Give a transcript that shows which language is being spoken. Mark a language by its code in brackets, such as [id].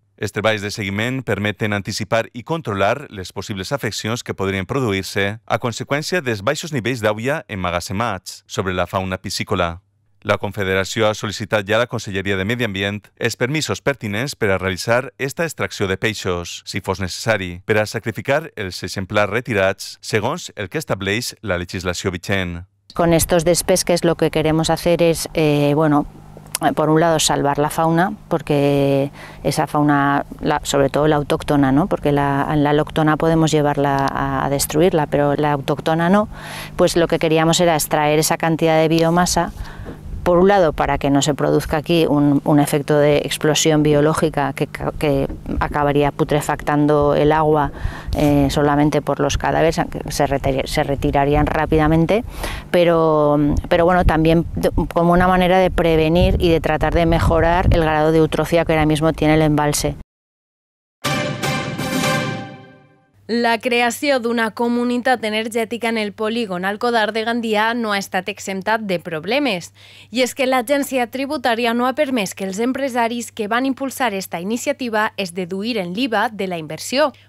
[ca] Els treballs de seguiment permeten anticipar i controlar les possibles afeccions que podrien produir-se a conseqüència dels baixos nivells d'àvia emmagatzemats sobre la fauna piscícola. La Confederació ha sol·licitat ja a la Conselleria de Medi Ambient els permisos pertinents per a realitzar aquesta extracció de peixos, si fos necessari, per a sacrificar els exemplars retirats segons el que estableix la legislació vigent. [es] Con estos despesques lo que queremos hacer es, bueno, por un lado salvar la fauna, porque esa fauna, sobre todo la autóctona, ¿no? Porque la alóctona podemos llevarla a destruirla, pero la autóctona no, pues lo que queríamos era extraer esa cantidad de biomasa, por un lado para que no se produzca aquí un efecto de explosión biológica que acabaría putrefactando el agua solamente por los cadáveres, se retirarían rápidamente, pero bueno, también como una manera de prevenir y de tratar de mejorar el grado de eutrofia que ahora mismo tiene el embalse. [ca] La creació d'una comunitat energètica en el polígon Alcodar de Gandia no ha estat exempta de problemes. I és que l'agència tributària no ha permès que els empresaris que van impulsar aquesta iniciativa es deduïren l'IVA de la inversió.